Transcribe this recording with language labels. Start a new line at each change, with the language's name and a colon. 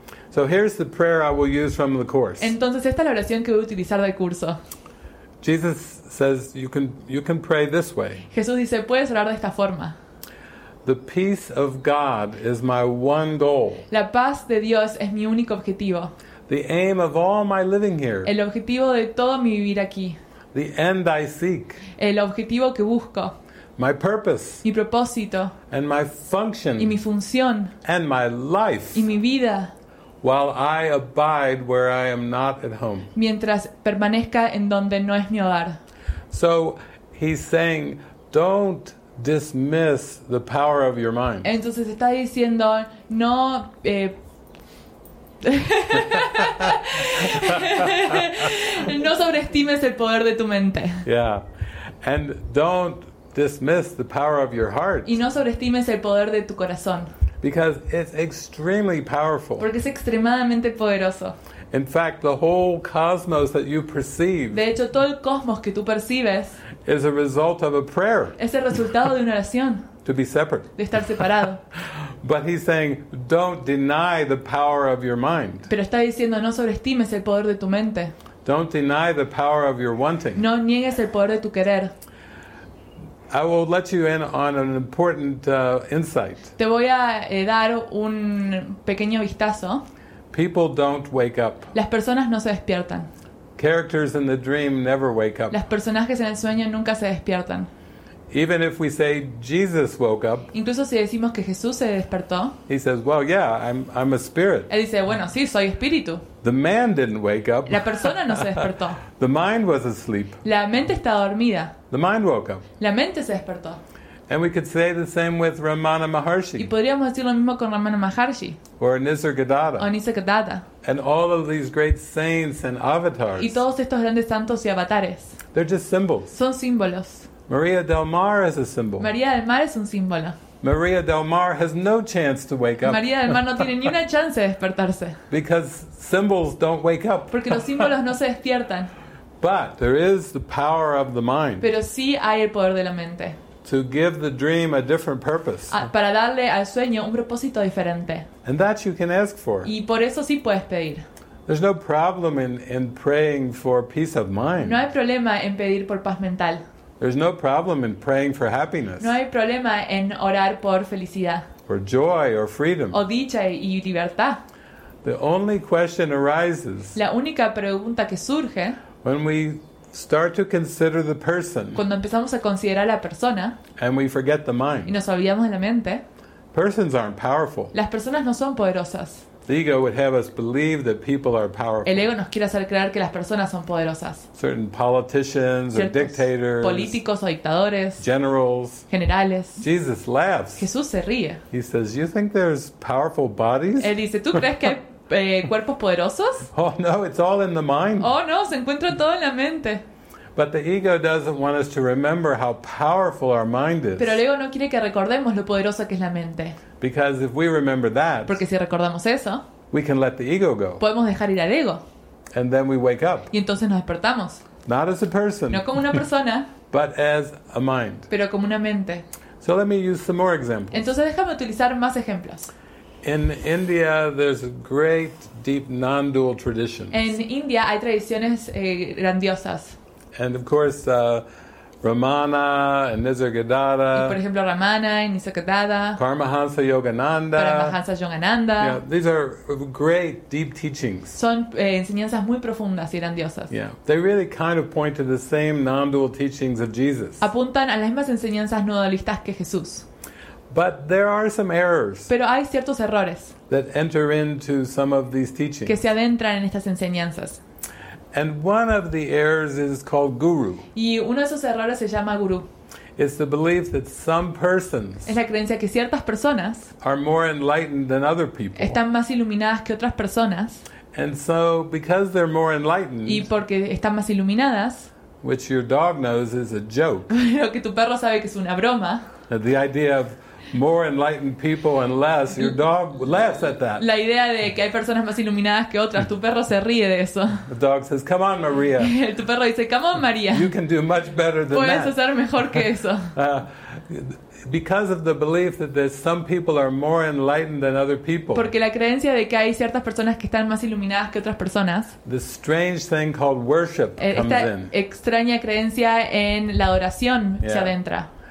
English: So here's the prayer I will use from the course.
Spanish: Entonces esta es la oración que voy a utilizar del curso.
English: Jesus says you can pray this way.
Spanish: Jesús dice puedes orar de esta forma.
English: The peace of God is my one goal.
Spanish: La paz de Dios es mi único objetivo.
English: The aim of all my living here.
Spanish: El objetivo de todo mi vivir aquí.
English: The end I seek.
Spanish: El objetivo que busco.
English: My purpose.
Spanish: Mi propósito.
English: And my function.
Spanish: Y mi función.
English: And my life.
Spanish: Y mi vida.
English: While I abide where I am not at home.
Spanish: Mientras permanezca en donde no es mi hogar.
English: So he's saying, don't dismiss the power of your mind.
Spanish: Entonces está diciendo, no. No sobreestimes el poder de tu mente.
English: Yeah. And don't dismiss the power of your heart.
Spanish: Y no sobreestimes el poder de tu corazón.
English: Because it's extremely powerful.
Spanish: Porque es extremadamente poderoso.
English: In fact, the whole cosmos that you perceive.
Spanish: De hecho, todo el cosmos que tú percibes.
English: Is a result of a prayer.
Spanish: Es el resultado de una oración.
English: To be separate.
Spanish: De estar separado.
English: But he's saying, don't deny the power of your mind.
Spanish: Pero está diciendo, no sobreestimes el poder de tu mente.
English: Don't deny the power of your wanting.
Spanish: No niegues el poder de tu querer.
English: I will let you in on an important insight.
Spanish: Te voy a dar un pequeño vistazo.
English: People don't wake up.
Spanish: Las personas no se despiertan.
English: Characters in the dream never wake up.
Spanish: Las personajes en el sueño nunca se despiertan.
English: Even if we say Jesus woke up.
Spanish: Incluso si decimos que Jesús se despertó.
English: He says, "Well, yeah, I'm a spirit."
Spanish: Él dice, "Bueno, sí, soy espíritu."
English: The man didn't wake up.
Spanish: La persona no se despertó.
English: The mind was asleep.
Spanish: La mente estaba dormida.
English: The mind woke up.
Spanish: La mente se despertó.
English: And we could say the same with Ramana Maharshi.
Spanish: Y podríamos decir lo mismo con Ramana Maharshi.
English: Or Nisargadatta.
Spanish: O Nisargadatta.
English: And all of these great saints and avatars.
Spanish: Y todos estos grandes santos y avatares.
English: They're just symbols.
Spanish: Son símbolos.
English: Maria del Mar is a symbol.
Spanish: María del Mar es un símbolo.
English: Maria del Mar has no chance to wake up.
Spanish: María del Mar no tiene ni una chance de despertarse.
English: Because symbols don't wake up.
Spanish: Porque los símbolos no se despiertan.
English: But there is the power of the mind.
Spanish: Pero sí hay el poder de la mente.
English: To give the dream a different purpose.
Spanish: Para darle al sueño un propósito diferente.
English: And that you can ask for.
Spanish: Y por eso sí puedes pedir.
English: There's no problem in praying for peace of mind.
Spanish: No hay problema en pedir por paz mental.
English: There's no problem in praying for happiness.
Spanish: No hay problema en orar por felicidad.
English: Or joy or freedom.
Spanish: O dicha y libertad.
English: The only question arises.
Spanish: La única pregunta que surge.
English: When we start to consider the person.
Spanish: Cuando empezamos a considerar a la persona.
English: And we forget the mind.
Spanish: Y nos olvidamos de la mente.
English: Persons aren't powerful.
Spanish: Las personas no son poderosas.
English: The ego would have us believe that people are powerful.
Spanish: El ego nos quiere hacer creer que las personas son poderosas.
English: Certain politicians or dictators.
Spanish: Políticos o dictadores.
English: Generals.
Spanish: Generales.
English: Jesus laughs.
Spanish: Jesús se ríe.
English: He says, "You think there's powerful bodies?"
Spanish: Él dice, "¿Tú crees que hay cuerpos poderosos?"
English: Oh no, it's all in the mind.
Spanish: Oh no, se encuentra todo en la mente.
English: But the ego doesn't want us to remember how powerful our mind is.
Spanish: Pero el ego no quiere que recordemos lo poderosa que es la mente.
English: Because if we remember that,
Spanish: porque si recordamos eso,
English: we can let the ego go.
Spanish: Podemos dejar ir al ego.
English: And then we wake up.
Spanish: Y entonces nos despertamos.
English: Not as a person.
Spanish: No como una persona.
English: But as a mind.
Spanish: Pero como una mente.
English: So let me use some more examples.
Spanish: Entonces déjame utilizar más ejemplos.
English: In India, there's great deep non-dual traditions.
Spanish: En India hay tradiciones grandiosas.
English: And of course, Ramana and Nisargadatta.
Spanish: Y por ejemplo, Ramana y Nisargadatta.
English: Paramahansa Yogananda.
Spanish: Paramahansa Yogananda.
English: Yeah, these are great deep teachings.
Spanish: Son enseñanzas muy profundas y grandiosas.
English: Yeah, they really kind of point to the same non-dual teachings of Jesus.
Spanish: Apuntan a las mismas enseñanzas no dualistas que Jesús.
English: But there are some errors.
Spanish: Pero hay ciertos errores.
English: That enter into some of these teachings.
Spanish: Que se adentran en estas enseñanzas.
English: And one of the errors is called guru.
Spanish: Y uno de esos errores se llama guru.
English: It's the belief that some persons.
Spanish: Es la creencia que ciertas personas.
English: Are more enlightened than other people.
Spanish: Están más iluminadas que otras personas.
English: And so, because they're more enlightened.
Spanish: Y porque están más iluminadas.
English: Which your dog knows is a joke.
Spanish: Lo que tu perro sabe que es una broma.
English: The idea of more enlightened people and less, your dog laughs at that.
Spanish: La idea de que hay personas más iluminadas que otras, tu perro se ríe de eso.
English: The dog says, "Come on, Maria."
Spanish: Tu perro dice,
English: "Come on,
Spanish: Maria."
English: You can do much better than
Spanish: puedes
English: that.
Spanish: Puedes hacer mejor que eso.
English: Because of the belief that there's some people are more enlightened than other people.
Spanish: Porque la creencia de que hay ciertas personas que están más iluminadas que otras personas.
English: The strange thing called worship comes in.
Spanish: Esta extraña creencia en la adoración se adentra.